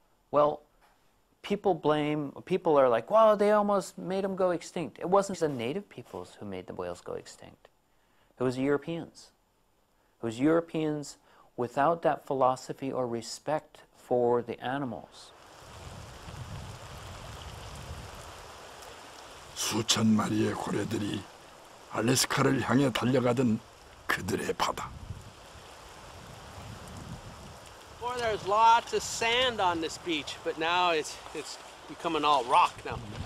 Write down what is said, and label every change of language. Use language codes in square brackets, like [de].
[en] Well, people are like, well, they almost made them go extinct. It wasn't the native peoples who made the whales go extinct. It was Europeans. It was Europeans without that philosophy or respect for the animals. [ko] 수천 마리의 고래들이 알래스카를 향해 달려가던 그들의 바다. [en] Before there's lots of sand on this beach, but now it's becoming all rock now.